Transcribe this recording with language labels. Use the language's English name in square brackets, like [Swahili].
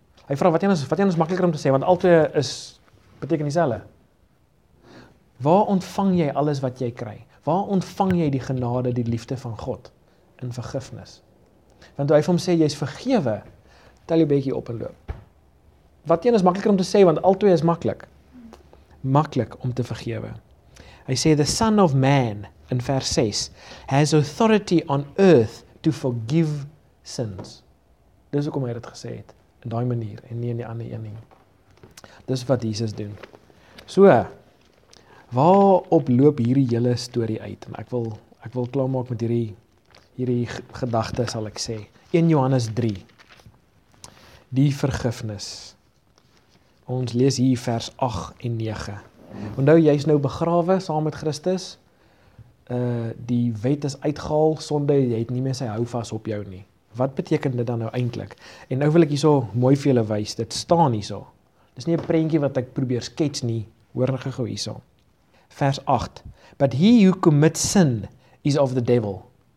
[Afrikaans] Hy vraag, wat jy is makkeliker om te sê, want altyd is, beteken dieselfde. Waar ontvang jy alles wat jy kry? Waar ontvang jy die genade, die liefde van God, in vergifnis? Want toe hy vir hom sê, jy is vergewe, tel jou bekie op en loop. Wat een is makkeliker om te sê, want al twee is makkelijk. Makkelijk om te vergewe. Hy sê, [English] the Son of Man, [Afrikaans] in vers 6, [English] has authority on earth to forgive sins. [Afrikaans] Dis ook om hy dit gesê het, in die manier, en nie in die ander een nie. Dis wat Jesus doen. So, waarop loop hierdie hele story uit? En ek wil klaarmaak met hierdie gedagte, sal ek sê. 1 Johannes 3, die vergifnis. Ons lees hier vers 8 en 9. Want nou, jy is nou begrawe saam met Christus. Die wet is uitgehaal, sonde, jy het nie meer sy houvas op jou nie. Wat beteken dit dan nou eintlik? En nou wil ek hier so mooi vir julle wys, dit staan hier so. Dit is nie 'n prentjie wat ek probeer skets nie, hoor nog gou hier so. Vers 8. [English] But he who commits sin is of the devil.